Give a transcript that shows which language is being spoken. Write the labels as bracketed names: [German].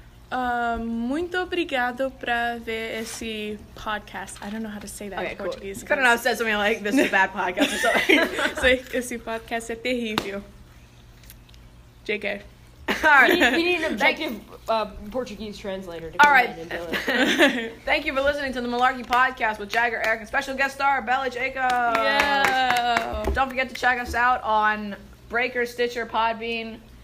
[Portuguese] Muito obrigado para ver esse podcast. [English] I don't know how to say that in Portuguese. Cool. I don't know. Said something like, this is a bad podcast or something. [Portuguese] Esse podcast é terrível. [English] JK. We need an objective Portuguese translator to come in and do it. Thank you for listening to the Malarkey Podcast with Jagger, Eric, and special guest star, Bella Jacob. Yeah. Don't forget to check us out on Breaker, Stitcher, Podbean,